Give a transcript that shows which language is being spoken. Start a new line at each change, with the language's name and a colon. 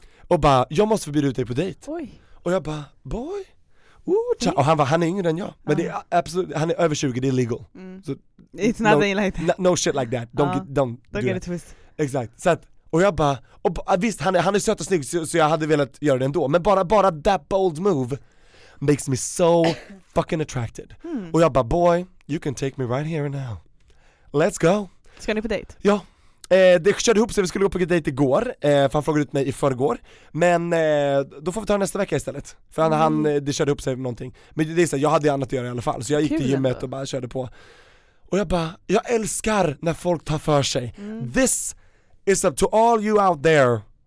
Swedish: Och bara, jag måste förbjuda ut dig på dejt. Oj. Och jag bara, boy. Ooh, och han är yngre än jag. Men det är absolut, han är över 20, det är legal.
English: Mm.
Swedish: Så,
English: it's not no, like that. No shit like that. Don't get a twist.
Swedish: Exakt. Så att, och jag bara, och visst, han är söt och snygg, så jag hade velat göra det ändå. Men bara
English: that bold move makes me so fucking attracted. Mm.
Swedish: Och jag bara,
English: boy, you can take me right here and now. Let's go.
Swedish: Ska ni på date? Ja. Det körde ihop sig, vi skulle gå på date igår. För han frågade ut mig i förrgår. Men då får vi ta nästa vecka istället. För han, det körde ihop sig med någonting. Men det är så, jag hade annat att göra i alla fall. Så jag gick till gymmet och bara körde på. Och jag bara, jag älskar när folk tar för sig. Mm.
English: This is up to all you out there.